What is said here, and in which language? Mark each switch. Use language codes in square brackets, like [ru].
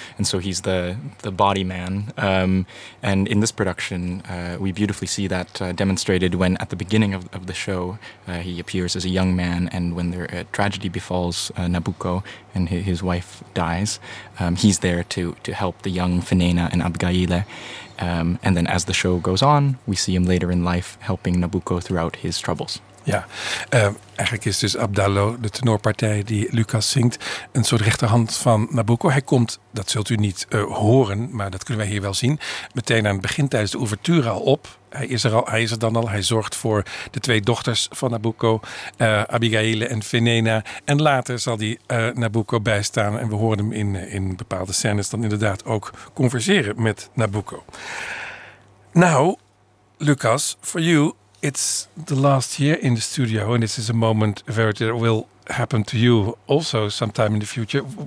[en] And so he's the body man. And in this production, we beautifully see that demonstrated when at the beginning of the show, he appears as a young man. And when there a tragedy befalls Nabucco and his wife dies, he's there to help the young Fenena and Abigaila. And then as the show goes on, we see him later in life helping Nabucco throughout his troubles. Yeah. [nl] Eigenlijk is dus Abdallo, de tenorpartij die Lucas zingt, een soort rechterhand van Nabucco. Hij komt, dat zult u niet horen, maar dat kunnen wij hier wel zien, meteen aan het begin tijdens de ouverture al op. Hij is er dan al. Hij zorgt voor de twee dochters van Nabucco, Abigaila en Fenena. En later zal die Nabucco bijstaan. En we horen hem in bepaalde scènes dan inderdaad ook converseren met Nabucco. [en] Nou, Lucas, for you, it's the last year in the studio, and this is a moment, Verity, that will happen to you also sometime in the future.